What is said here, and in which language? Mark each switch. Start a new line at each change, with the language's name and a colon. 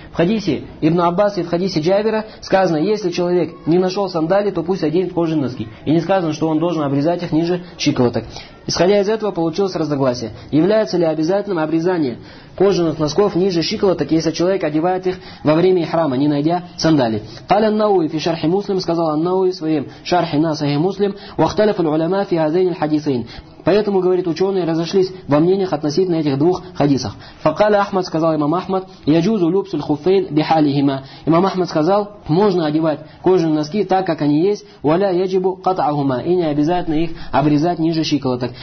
Russian: В хадисе ибн Аббас и в хадисе Джабира сказано, если человек не нашел сандали, то пусть оденет кожаные носки. И не сказано, что он должен обрезать их ниже щиколоток. Исходя из этого, получилось разногласие. Является ли обязательным обрезание кожаных носков ниже щиколоток, если человек одевает их во время ихрама, не найдя сандали?
Arabic: قال النووي في شرح مسلم,
Russian: сказал النووي в своем шархе на Сахих Муслим,
Arabic: واختلف العلماء في هذين الحديثين.
Russian: Поэтому, говорит, ученые разошлись во мнениях относительно этих двух хадисах.
Arabic: Факаля Ахмад,
Russian: сказал имам Ахмад,
Arabic: яджузу любсуль хуфейн бихалихима.
Russian: Имам Ахмад сказал, можно одевать кожаные носки так, как они есть,
Arabic: валя яджибу катаагума,
Russian: и не обязательно их обрезать ниже щиколоток.